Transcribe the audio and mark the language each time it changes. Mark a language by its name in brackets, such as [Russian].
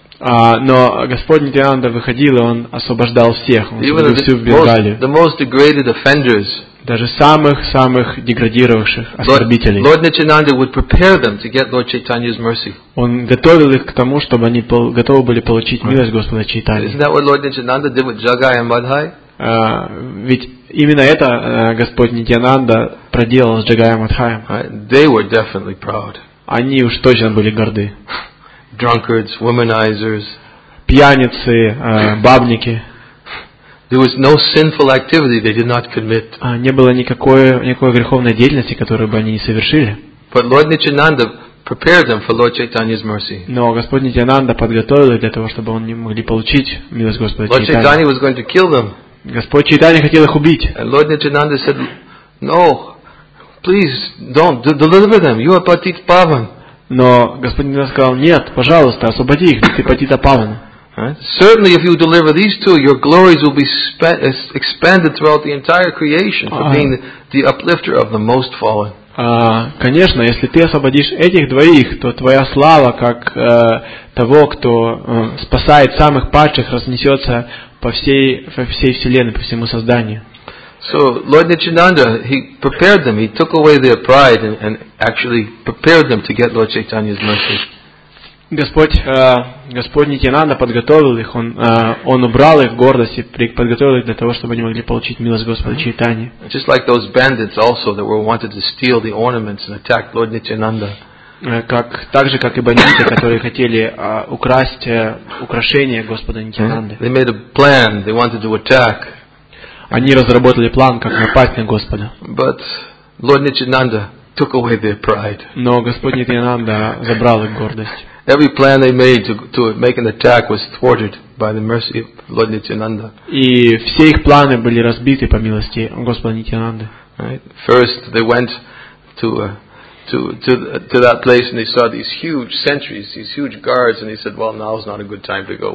[Russian] Но Господь Нитянанда выходил, и он освобождал всех, он всю Бенгалию. [English] The most degraded offenders. [Russian] Даже самых-самых деградировавших оскорбителей. [English] Lord Nityananda would prepare them to get Lord Chaitanya's mercy. [Russian] Он готовил их к тому, чтобы они готовы были получить милость Господа Чайтаньи. [English] Isn't that what Lord Nityananda did with Jagai and Madhai? [Russian] Ведь именно это Господь Нитянанда проделал с Джагай и Мадхай. [English] They were definitely proud. [Russian] Они уж точно были горды. [English] Drunkards, womanizers. [Russian] Пьяницы, бабники. [English] There was no sinful activity they did not commit. [Russian] Не было никакой греховной деятельности, которую бы они не совершили. [English] But Lord Nityananda prepared them for Lord Chaitanya's mercy. [Russian] Но Господь Нитянанда подготовил их для того, чтобы они могли получить милость Господа [English] Чайтаньи. Lord Chaitanya was going to kill them. [Russian] Господь Чайтанья хотел их убить. [English] And Lord Nityananda said, "No, please don't deliver them. You are Patit Pavan." [Russian] Но Господь Нитянанда сказал: "Нет, пожалуйста, освободи их, ты Патита Павана." [English] Certainly, if you deliver these two, your glories will be expanded throughout the entire creation for being the uplifter of the most fallen. [Russian] Конечно, если ты освободишь этих двоих, то твоя слава как того, кто спасает самых падших, разнесется по всей вселенной, по всему созданию. [English] So Lord Nityananda, he prepared them. He took away their pride and actually prepared them to get Lord Chaitanya's mercy. [Russian] Господь Нитянанда подготовил их, он убрал их гордость и подготовил их для того, чтобы они могли получить милость Господа Чайтаньи. [English] Just like those bandits also that were wanted to steal the ornaments and attack Lord Nityananda. [Russian] Так же, как и бандиты, которые хотели украсть украшения Господа Нитянанды. [English] They made a plan, they wanted to attack. [Russian] Они разработали план, как напасть на Господа. [English] But Lord Nityananda took away their pride. [Russian] Но Господь Нитянанда забрал их гордость. [English] Every plan they made to make an attack was thwarted by the mercy of Lord Nityananda. [Russian] И все их планы были разбиты по милости Господа Нитянанды. [English] Right. First, they went to that place and they saw these huge sentries, these huge guards, and they said, "Well, now is not a good time to go.